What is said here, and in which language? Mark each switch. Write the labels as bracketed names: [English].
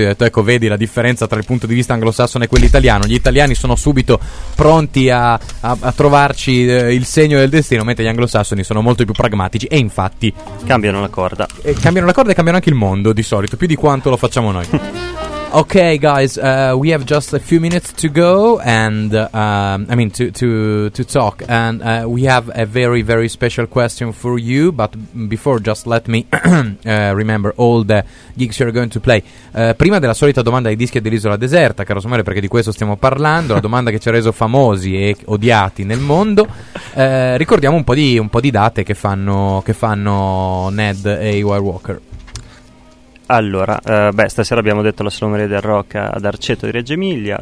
[Italian] Io ho detto: ecco, vedi la differenza tra il punto di vista anglosassone e quello italiano. Gli italiani sono subito pronti a trovarci il segno del destino, mentre gli anglosassoni sono molto più pragmatici. E infatti cambiano la corda. Cambiano la corda e cambiano anche il mondo, di solito, più di quanto lo facciamo noi. [English] Ok, guys, we have just a few minutes to go, and to talk, and we have a very, very special question for you. But before, just let me remember all the gigs you're going to play. [Italian] Prima della solita domanda dei dischi dell'Isola Deserta, caro Samuele, perché di questo stiamo parlando, la domanda che ci ha reso famosi e odiati nel mondo. Ricordiamo un po' di date che fanno Ned e Wire Walker. Allora, stasera abbiamo detto la Salumeria del Rock ad Arceto di Reggio Emilia.